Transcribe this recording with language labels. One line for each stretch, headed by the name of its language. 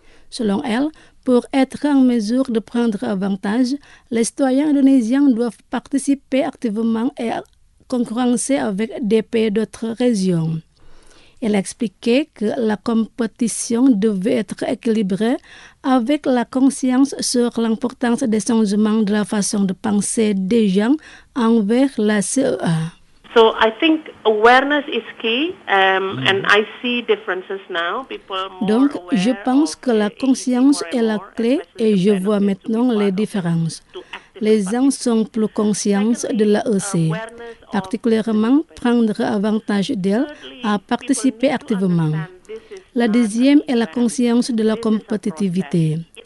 French: Selon elle, pour être en mesure de prendre avantage, les citoyens indonésiens doivent participer activement et concurrencer avec des pays d'autres régions. Elle a expliqué que la compétition devait être équilibrée avec la conscience sur l'importance des changements de la façon de penser des gens envers la CEA.
English: So I think awareness is key, and I see differences now.
French: Donc, je pense que la conscience est la clé et je vois maintenant les différences. Les gens sont plus conscients de l'AEC, particulièrement prendre avantage d'elle à participer activement. La deuxième est la conscience de la compétitivité.